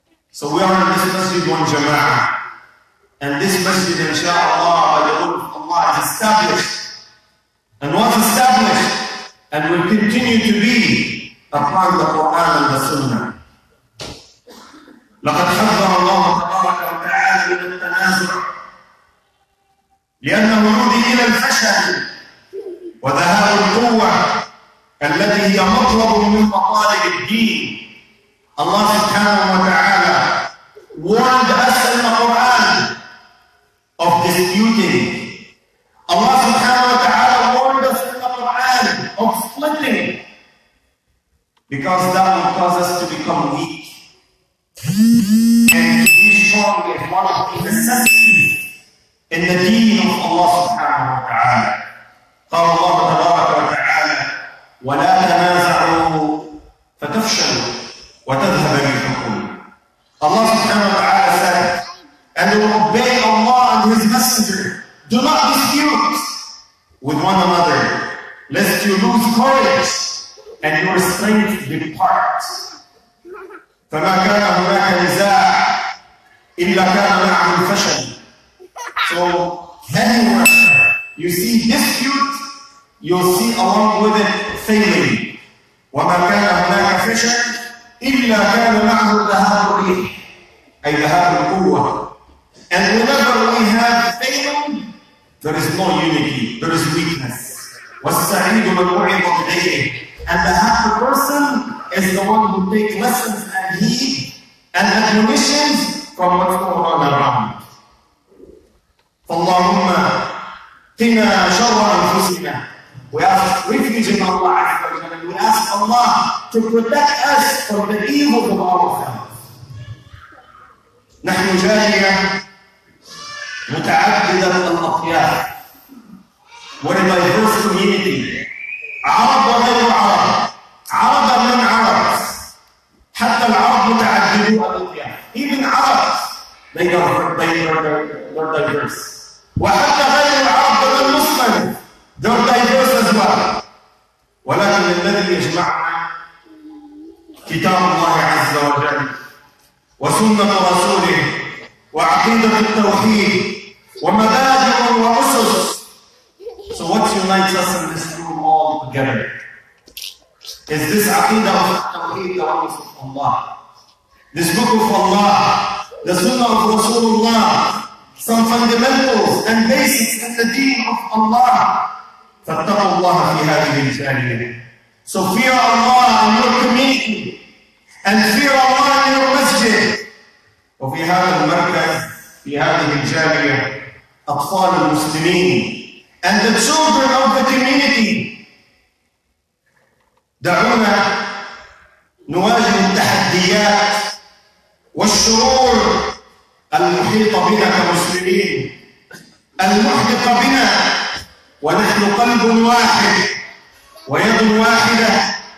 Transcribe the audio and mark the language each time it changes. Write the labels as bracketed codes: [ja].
[en] So we are in this masjid one jama'ah. And this masjid, inshaAllah, by the word of Allah, is established and was established and will continue to be upon the Quran and the Sunnah. [ar] لقد حذر الله تبارك وتعالى من التنازع لأنه يؤدي إلى الفشل وذهاب القوة التي هي مطلب من مطالب الدين. الله سبحانه وتعالى [en] warned us in the Quran of disputing. Allah subhanahu wa ta'ala warned us in the Quran of splitting. Because that will cause us to become weak. And to be strong is one of the necessities in the deen of Allah subhanahu wa ta'ala. [ar] قال الله تبارك وتعالى ولا تنازعوا فتفشلوا وتذهب ريحكم. [en] Allah subhanahu wa ta'ala said, and we obey Allah and His Messenger. Do not dispute with one another, lest you lose courage and your strength depart. [ar] فما كان هناك نزاع الا كان معه الفشل. [en] So then you see dispute, you see along with it failing. [ar] وما كان هناك فشل الا كان معه ذهاب الريح, اي ذهاب القوه. [en] And whenever we have failed, there is no unity, there is weakness. [ar] والسعيد من وعظ بغيره. [en] And the happy person is the one who takes lessons and heed and admonitions from what's going on around. [ar] فاللهم قنا شر انفسنا. [en] We ask refuge in Allah, and we ask Allah to protect us from the evil of ourselves. [ar] نحن جارية متعددة الأطياف. [en] What in my first community? [ar] عرب وغير عرب, عرب من عرب, حتى العرب متعددوا الأطياف. [en] Even Arabs, they are diverse. [ar] وحتى غير العرب من المسلم, [en] they're diverse as well. [ar] ولكن الذي يجمعنا كتاب الله عز وجل وسنة رسوله وعقيدة التوحيد ومبادئ وأسس. [en] So what unites us in this room all together is this aqidah of tawheed, the oneness of Allah, this book of Allah, the sunnah of Rasulullah, some fundamentals and basics in the deen of Allah. [ar] فاتقوا الله في هذه الجارية. [en] So fear Allah in your community and fear Allah in your masjid. [ar] وفي هذا المركز في هذه الجارية أطفال المسلمين. [en] And the children of the community. [ar] دعونا نواجه التحديات والشرور المحيطة بنا كمسلمين, المحيطة بنا ونحن قلب واحد ويد واحدة.